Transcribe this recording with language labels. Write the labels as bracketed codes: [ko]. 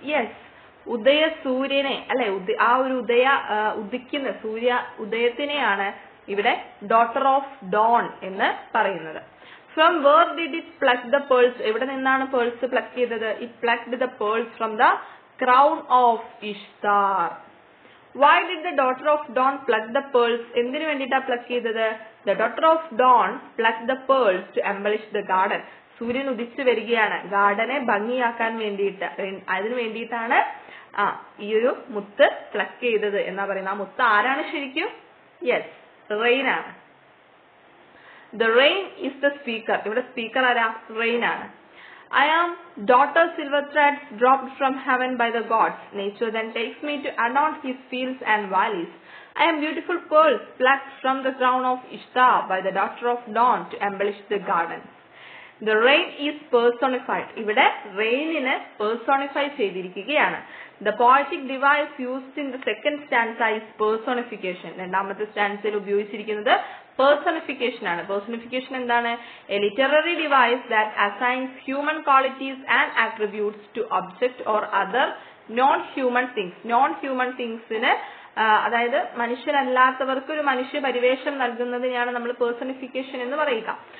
[ml] Yes, ഉദയ സൂര്യനെ അല്ലെ, ആ ഒരു ഉദയ ഉദിക്കുന്ന സൂര്യ ഉദയത്തിനെയാണ് ഇവിടെ ഡോട്ടർ ഓഫ് ഡോൺ എന്ന് പറയുന്നത്. [en] From where did it pluck the pearls? [ml] എവിടെ നിന്നാണ് പേൾസ് പ്ലക് ചെയ്തത്? [en] It plucked the pearls from the crown of Ishtar. Why did the daughter of Dawn pluck the pearls? [ml] എന്തിനു വേണ്ടിട്ടാ പ്ലക് ചെയ്തത്? [en] The daughter of Dawn pluck the pearls to embellish the garden. [ml] സൂര്യൻ ഉദിച്ചു വരികയാണ്, ഗാർഡനെ ഭംഗിയാക്കാൻ വേണ്ടിയിട്ട്. അതിനു വേണ്ടിയിട്ടാണ് ഈ ഒരു മുത്ത് പ്ലക് ചെയ്തത് എന്നാ പറയുന്നത്. ആ മുത്ത് ആരാണ് ശരിക്കും? യെസ്, റെയിൻ ആണ്. [en] The rain is the speaker. [ml] ഇവിടെ സ്പീക്കർ ആരാ? റെയിൻ ആണ്. [en] I am daughter silver threads dropped from heaven by the gods. Nature then takes me to adorn his fields and valleys. I am beautiful pearls plucked from the crown of Ishtar by the daughter of dawn to embellish the gardens. The rain is personified. [ml] ഇവിടെ റെയിനിനെ personify ചെയ്തിരിക്കുകയാണ്. [en] The poetic device used in the second stanza is personification. [ml] രണ്ടാമത്തെ സ്റ്റാൻസിൽ ഉപയോഗിച്ചിരിക്കുന്നത് personification ആണ്. Personification എന്താണ്? [en] A literary device that assigns human qualities and attributes to object or other non human things. [ml] Non human തിങ്സിന്, അതായത് മനുഷ്യരല്ലാത്തവർക്ക് ഒരു മനുഷ്യ പരിവേഷം നൽകുന്നതിനെയാണ് നമ്മൾ പേഴ്സണിഫിക്കേഷൻ എന്ന് പറയുക.